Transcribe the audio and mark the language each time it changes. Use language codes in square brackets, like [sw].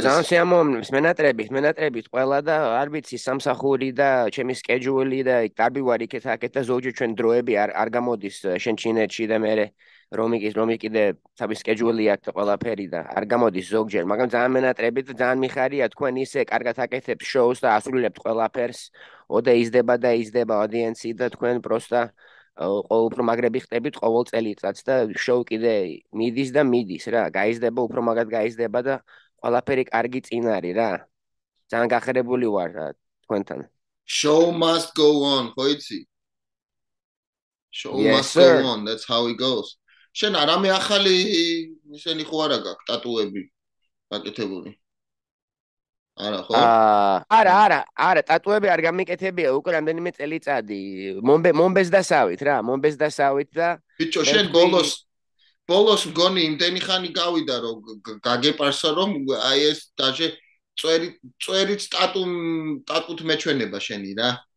[ka] ო, ძალიან შემომნებს, მენატრებით ყველა და არ ვიცი, სამსახური და ჩემი სკეჯული და დაბივარ იქეთ აქეთ და ზოგჯერ ჩვენ დროები არ გამოდის შენ ჩინეთში და მე რომი კიდე თავის სკეჯული აქვს ყველაფერი და არ გამოდის ზოგჯერ, მაგრამ ძალიან მენატრები და ძალიან მიხარია თქვენ ისე კარგად აკეთებს შოუს და ასრულებთ ყველაფერს. ოდე იზდება და იზდება აუდიენსი და თქვენ პროსტა უფრო მაგრები ხდებით ყოველ წელიწადს და შოუ კიდე მიდის და მიდის რა, გაიზდება უფრო მაგად გაიზდება და ყველაფერი კარგი წინ არის რა. ძალიან გახერებული ვარ თქვენთან. [en] Show must go on, ხო იცი? Show must go on, that's how it goes. [ka] შენ არამე ახალი ისენი ხო არა გაქვს ტატუები გაკეთებული? არა ხო? არა ტატუები არ გამიკეთებია უკვე რამდენიმე წელიწადი. მომბეზდასავით რა, მომბეზდასავით და ბიჭო, შენ ბოლოს მგონი იმდენი ხანი გავიდა რომ გაგეპარსა რომ აი ეს დაჟე წვერიც ტატუთ მეჩვენება შენი რა.